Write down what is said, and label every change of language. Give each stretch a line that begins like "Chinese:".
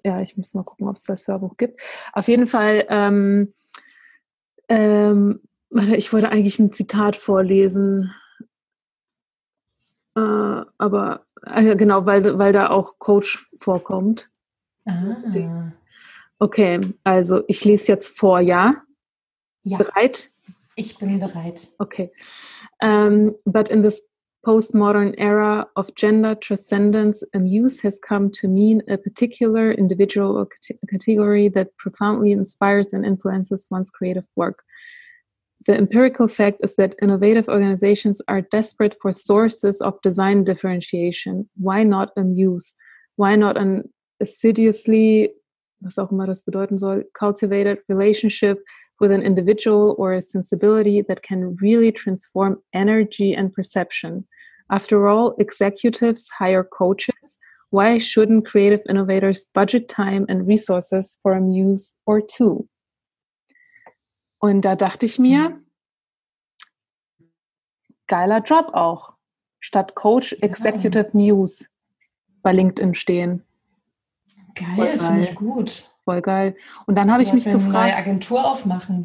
German: Ja, ich muss mal gucken, ob es das Hörbuch gibt. Auf jeden Fall, ich wollte eigentlich ein Zitat vorlesen. Aber genau, weil da auch Coach vorkommt. Ah. Okay, also ich lese jetzt vor, ja? Ja. Bereit? Ich bin bereit. Okay.
English: But in this postmodern era of gender transcendence, a muse has come to mean a particular individual or category that profoundly inspires and influences one's creative work. The empirical fact is that innovative organizations are desperate for sources of design differentiation. Why not a muse? Why not an assiduously,
German: was auch immer das bedeuten soll,
English: cultivated relationship with an individual or a sensibility that can really transform energy and perception? After all, executives hire coaches. Why shouldn't creative innovators budget time and resources for a muse or two?
German: Und da dachte ich mir, geiler Job auch, statt Coach Executive Muse bei LinkedIn stehen. Geil, finde ich gut. Voll geil. Und dann habe ich mich gefragt. Wir eine neue Agentur aufmachen.